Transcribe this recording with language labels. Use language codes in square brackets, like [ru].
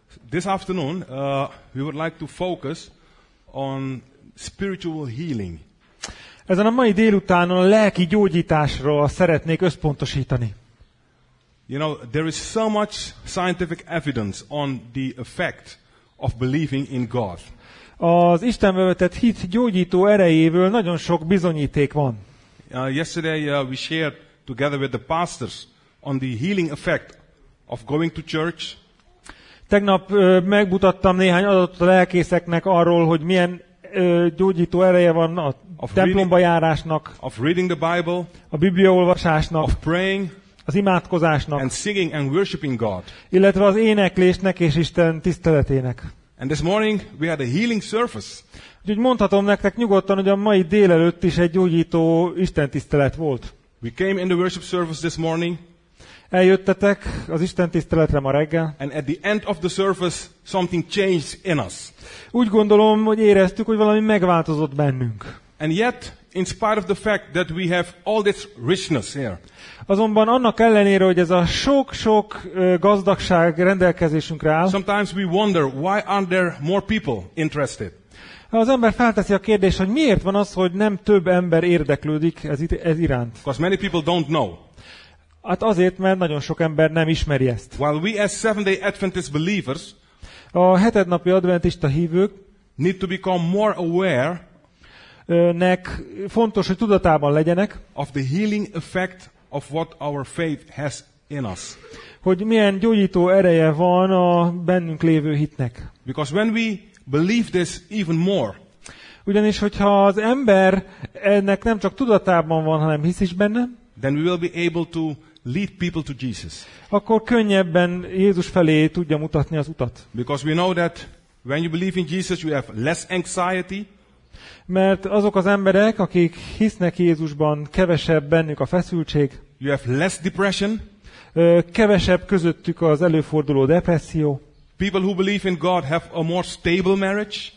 [en] This afternoon, we would like to focus on spiritual healing. [hu] Ezen a mai délután a lelki gyógyításról szeretnék összpontosítani. [en] You know, there is so much scientific evidence on the effect of believing in God. [hu] Az Istenbe vetett hit gyógyító erejéből nagyon sok bizonyíték van. [en] Yesterday we shared together with the pastors on the healing effect of going to church. [hu] Tegnap megmutattam néhány adatot a lelkészeknek arról, hogy milyen gyógyító ereje van a templomba járásnak, [en] of reading the Bible, [hu] a Biblia olvasásnak, [en] of praying, [hu] az imádkozásnak, [en] and singing and worshiping God. [hu] Illetve az éneklésnek és Isten tiszteletének. [en] And this morning we had a healing service. [hu] Úgyhogy mondhatom nektek nyugodtan, hogy a mai délelőtt is egy gyógyító Isten tisztelet volt. [en] We came in the worship service this morning. [hu] Eljöttetek az Isten tiszteletre ma reggel. [en] And at the end of the service, something changed in us. [hu] Úgy gondolom, hogy éreztük, hogy valami megváltozott bennünk. [en] And yet, in spite of the fact that we have all this richness here. [hu] Azonban annak ellenére, hogy ez a sok-sok gazdagság rendelkezésünkre áll. [en] Sometimes we wonder why aren't there more people interested. [hu] Az ember felteszi a kérdést, hogy miért van az, hogy nem több ember érdeklődik ez iránt. [en] Because many people don't know. [hu] Hát azért, mert nagyon sok ember nem ismeri ezt. [en] While we as Seventh-day Adventist believers, [hu] a hetednapi adventista hívők [en] need to become more aware, [hu] nek fontos, hogy tudatában legyenek [en] of the healing effect of what our faith has in us. [hu] Hogy milyen gyógyító ereje van a bennünk lévő hitnek. [en] Because when we believe this even more, [hu] ugyanis, hogyha az ember ennek nem csak tudatában van, hanem hisz is benne, [en] then we will be able to lead people to Jesus. [hu] Akkor könnyebben Jézus felé tudja mutatni az utat. [en] Because we know that when you believe in Jesus, you have less anxiety. [hu] Mert azok az emberek, akik hisznek Jézusban, kevesebb bennük a feszültség. [en] You have less depression. [hu] Kevesebb közöttük az előforduló depresszió. [en] People who believe in God have a more stable marriage.